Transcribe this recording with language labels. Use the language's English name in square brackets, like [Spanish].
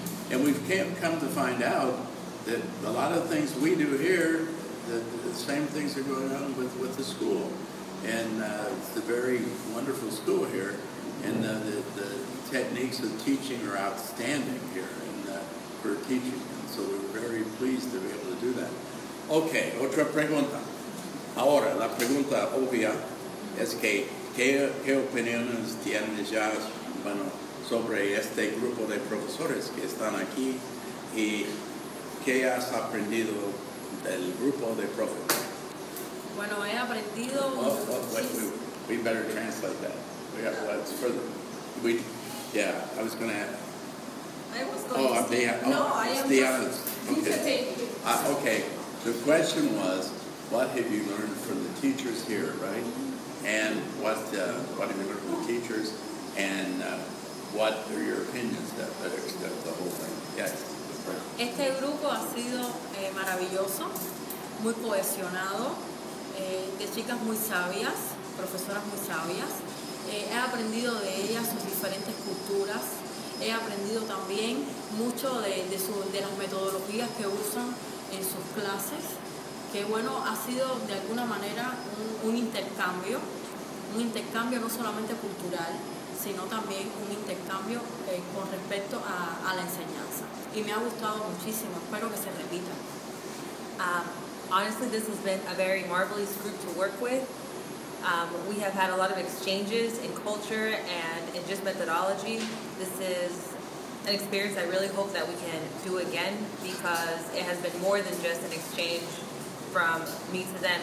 [English] And we've come to find out that a lot of things we do here, the same things are going on with the school. And it's a very wonderful school here. And the techniques of teaching are outstanding here for teaching. And so we're very pleased to be able to do that. [Spanish] Okay, otra pregunta. Ahora, la pregunta obvia es que, ¿qué opiniones tienen ya, bueno, sobre este grupo de profesores que están aquí y qué has aprendido del grupo de profesores? Bueno, he aprendido... [English] We better translate that. I was going to ask. The question was, what have you learned from the teachers here, right? And what have you learned from the teachers? And what are your opinions that the whole thing? Yes. [Spanish] Este grupo ha sido maravilloso, muy cohesionado, de chicas muy sabias, profesoras muy sabias. He aprendido de ellas sus diferentes culturas. He aprendido también mucho de las metodologías que usan en sus clases. Que bueno, ha sido de alguna manera un intercambio no solamente cultural, sino también un intercambio con respecto a la enseñanza. Y me ha gustado muchísimo, espero que se repita. [English] Honestly, this has been a very marvelous group to work with. We have had a lot of exchanges in culture and in just methodology. This is an experience I really hope that we can do again, because it has been more than just an exchange from me to them.